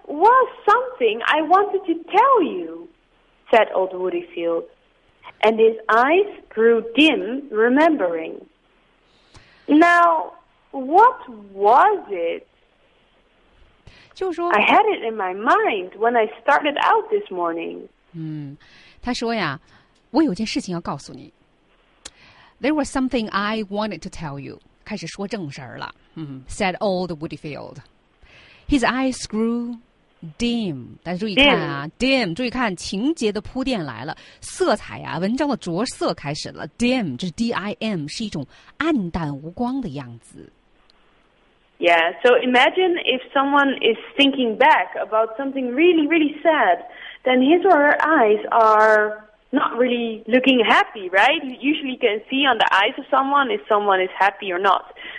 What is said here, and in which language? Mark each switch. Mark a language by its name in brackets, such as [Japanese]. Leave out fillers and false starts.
[English] was something I wanted to tell you, said old Woodyfield, and his eyes grew dim remembering. Now, what was it? [Chinese] 就说, [English] I had it in my mind when I started out this morning. [Chinese] 他说呀, 我有件事情要告诉你。 [English] There was something I wanted to tell you. [Chinese] 开始说正事儿了, [English] said old Woodyfield. His eyes grew dim. [Chinese] 但注意看啊, dim, 注意看情节的铺垫来了, 色彩啊, 文章的着色开始了, dim, 这是 D-I-M, 是一种暗淡无光的样子。 Yeah, so imagine if someone is thinking back about something really, really sad, then his or her eyes are not really looking happy, right? Usually you can see on the eyes of someone if someone is happy or not.